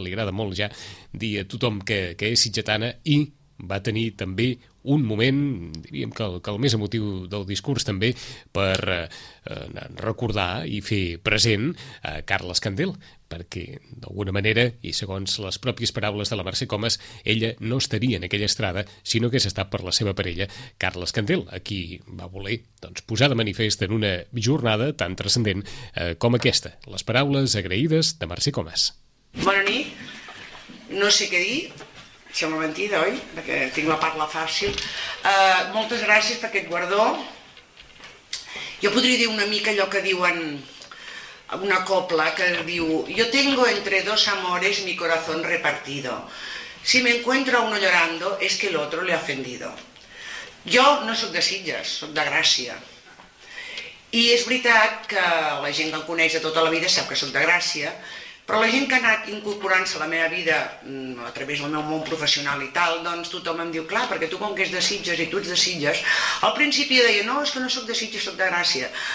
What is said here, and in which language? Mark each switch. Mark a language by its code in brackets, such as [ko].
[ca] Li agrada molt ja dir a tothom que és sitgetana, i va tenir també un moment, diríem que el més emotiu del discurs, també per recordar i fer present a Carles Candel, perquè d'alguna manera, i segons les pròpies paraules de la Mercè Comas, ella no estaria en aquella estrada si no hagués estat per la seva parella, Carles Candel, a qui va voler doncs posar de manifest en una jornada tan transcendent com aquesta. Les paraules agraïdes de Mercè Comas. Bona nit, no sé què dir. Sembla mentida, oi? Perquè tinc la parla fàcil. Moltes gràcies per aquest guardó. Jo podria dir una mica allò que diuen una copla, que diu: [es] yo tengo entre dos amores mi corazón repartido. Si me encuentro uno llorando es que el otro le ha ofendido. [ca] Jo no sóc de Sitges, sóc de Gràcia. I és veritat que la gent que em coneix de tota la vida sap que sóc de Gràcia, però la gent que ha anat incorporant-se a la meva vida a través del meu món professional i tal, doncs tothom em diu: clar, perquè tu, com que ets de Sitges i tu ets de Sitges, al principi jo deia: no, és que no sóc de Sitges, sóc de Gràcia.